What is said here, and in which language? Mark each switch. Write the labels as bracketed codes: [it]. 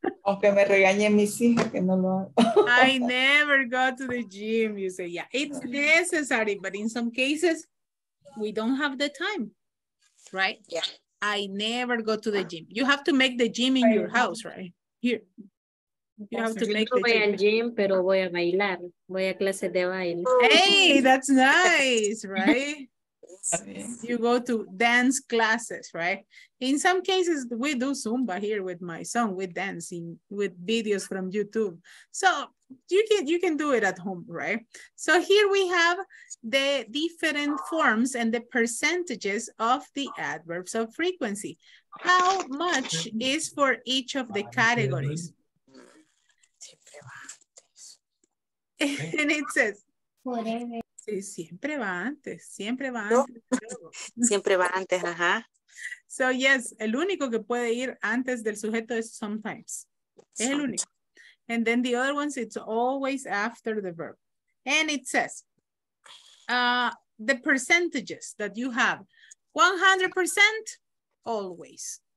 [es] Aunque me regañe mis hijas, que no lo hago. [en] I never go to the gym, you say. Yeah, it's necessary, but in some cases, we don't have the time, right? Yeah. I never go to the gym. You have to make the gym in your house, right? Here. You have to make the gym. [es] Voy al gym, pero voy a bailar. Voy a clases de baile. [en] Hey, that's nice, right? You go to dance classes, right? In some cases, we do Zumba here with my son. We dancing with videos from YouTube. So you can do it at home, right? So here we have the different forms and the percentages of the adverbs of frequency. How much is for each of the categories? And it says... [es] Sí, siempre va antes, siempre va antes. No. Siempre va antes, ajá. [en] So, yes, [es] el único que puede ir antes del sujeto es sometimes. Es el único. [en] And then the other ones, it's always after the verb. And it says, the percentages that you have, 100%, always.